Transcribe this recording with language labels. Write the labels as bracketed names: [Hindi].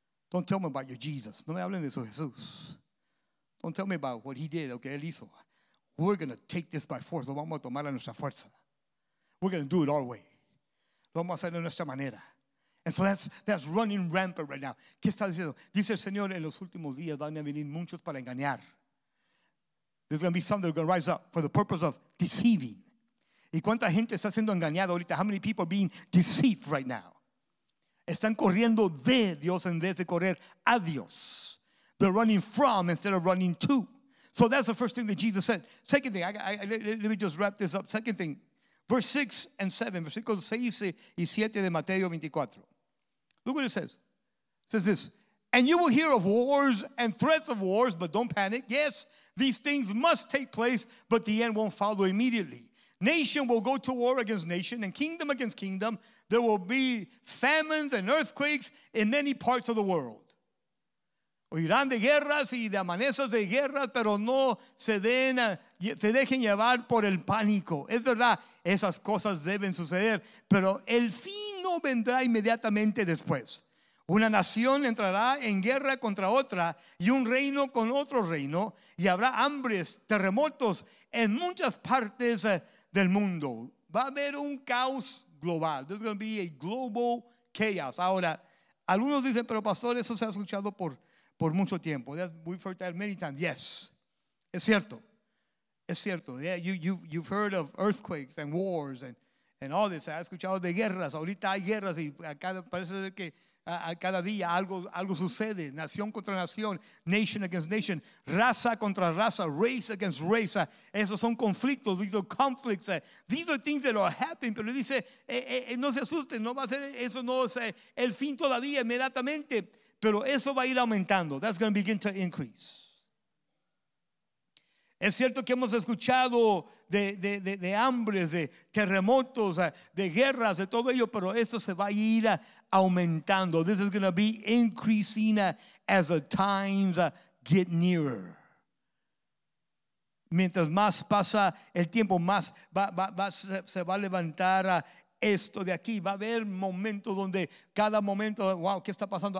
[English] Don't tell me about your Jesus. [Spanish] No me hablen de su Jesús. [English] Don't tell me about what he did, [Spanish] lo que él hizo. [English] We're going to take this by force. [Spanish] Lo vamos a tomar a nuestra fuerza. [English] We're going to do it our way. [Spanish] Lo vamos a hacer de nuestra manera. [English] And so that's running rampant right now. [Spanish] ¿Qué está diciendo? Dice el Señor, en los últimos días van a venir muchos para engañar. [English] There's going to be some that are going to rise up for the purpose of deceiving. [Spanish] ¿Y cuánta gente está siendo engañada ahorita? [English] How many people are being deceived right now? [Spanish] Están corriendo de Dios en vez de correr a Dios. [English] They're running from instead of running to. So that's the first thing that Jesus said. Second thing, let me just wrap this up. Second thing, verse 6 and 7. [Spanish] Versículos 6 y 7 de Mateo 24. [English] Look what it says. It says this. And you will hear of wars and threats of wars, but don't panic. Yes, these things must take place, but the end won't follow immediately. Nation will go to war against nation and kingdom against kingdom. There will be famines and earthquakes in many parts of the world. [Spanish] Oirán de guerras y de amanezas de guerras, pero no se dejen llevar por el pánico. Es verdad, esas cosas deben suceder, pero el fin no vendrá inmediatamente después. Una nación entrará en guerra contra otra y un reino con otro reino, y habrá hambres, terremotos en muchas partes del mundo. Va a haber un caos global. [English] There's going to be a global chaos. [Spanish] Ahora, algunos dicen, pero pastor, eso se ha escuchado por mucho tiempo. [English] We've heard that many times. Yes, [Spanish] es cierto. Es cierto. [English] Yeah, you've heard of earthquakes and wars and all this. [Spanish] Se ha escuchado de guerras. Ahorita hay guerras y parece ser que a cada día algo sucede. Nación contra nación, [English] nation against nation, [Spanish] raza contra raza, [English] race against race. [Spanish] Esos son conflictos, [English] these are conflicts. These are things that are happening. [Spanish] Pero dice, no se asusten, no va a ser eso, no es el fin todavía inmediatamente, pero eso va a ir aumentando. [English] That's going to begin to increase. [Spanish] Es cierto que hemos escuchado de hambres, de terremotos, de guerras, de todo ello, pero eso se va a ir aumentando. [English] This is going to be increasing as the times get nearer. [Spanish] Mientras más pasa el tiempo, más se va a levantar esto de aquí. Va a haber momentos donde cada momento, wow, ¿qué está pasando?